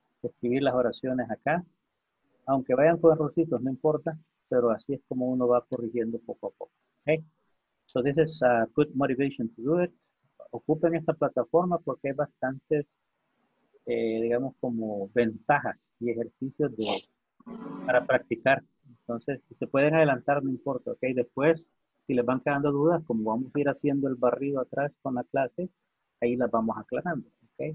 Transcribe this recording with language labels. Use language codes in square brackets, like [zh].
[es] Escribir las oraciones acá, aunque vayan con errorcitos, no importa, pero así es como uno va corrigiendo poco a poco, ok? [en] So this is a good motivation to do it. [es] Ocupen esta plataforma porque hay bastantes, digamos, como ventajas y ejercicios de para practicar. Entonces, si se pueden adelantar, no importa, ¿ok? Después, si les van quedando dudas, como vamos a ir haciendo el barrido atrás con la clase, ahí las vamos aclarando, ¿ok?